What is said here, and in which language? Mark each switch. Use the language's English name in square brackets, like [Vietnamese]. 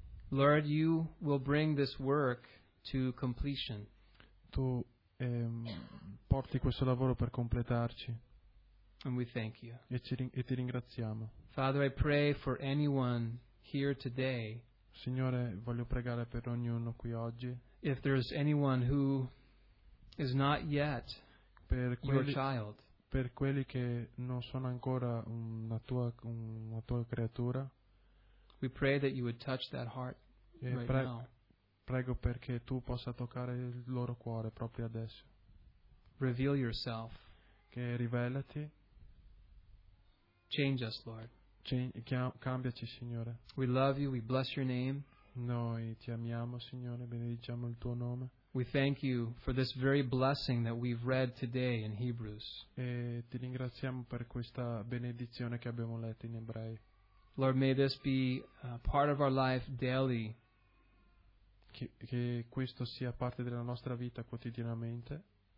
[English] Lord, you will bring this work to completion. [Italian] Tu porti questo lavoro per completarci. [English] And we thank you. [Italian] E ti ringraziamo. [English] Father, I pray for anyone here today. [Italian] Signore, voglio pregare per ognuno qui oggi. [English] If there is anyone who is not yet your child. [Italian] Per quelli che non sono ancora una tua creatura. [English] We pray that you would touch that heart right now. [Italian] Prego perché tu possa toccare il loro cuore proprio adesso. [English] Reveal yourself. [Italian] Che rivelati. [English] Change us, Lord. [Italian] Cambiaci, Signore. [English] We love you. We bless your name. [Italian] Noi ti amiamo, Signore. Benediciamo il tuo nome. [English] We thank you for this very blessing that we've read today in Hebrews. [Italian] E ti ringraziamo per questa benedizione che abbiamo letto in Ebrei. [English] Lord, may this be a part of our life daily. [Italian] Che questo sia parte della nostra vita quotidianamente.